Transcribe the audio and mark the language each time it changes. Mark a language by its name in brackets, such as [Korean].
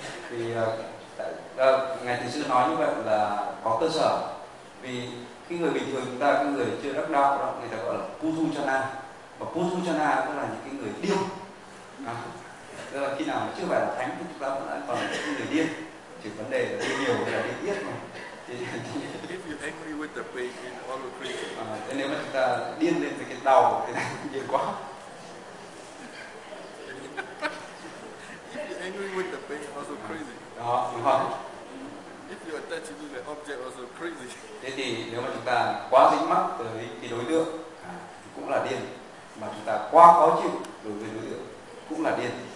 [Vietnamese] Vì ngài thiền sư nói như vậy là có cơ sở, vì khi người bình thường chúng ta, cái người chưa đắc đạo đó, người ta gọi là Pujuchana. Và Pujuchana tức là những cái người điên, tức là khi nào chưa phải là thánh thì chúng ta vẫn còn là những người điên, chỉ vấn đề là điên nhiều hay là điên ít mà. [English] If you're angry with the pain in all of creation, [Vietnamese] thế nếu mà chúng ta điên lên với cái đau thì điên quá. [English] If you're angry with the pain, also crazy. [Vietnamese] Đó, đúng không? [English] If you're attached to the object, also crazy. [Vietnamese] Thế thì nếu mà chúng ta quá dính mắc tới cái đối tượng thì cũng là điên, mà chúng ta quá khó chịu đối với đối tượng cũng là điên.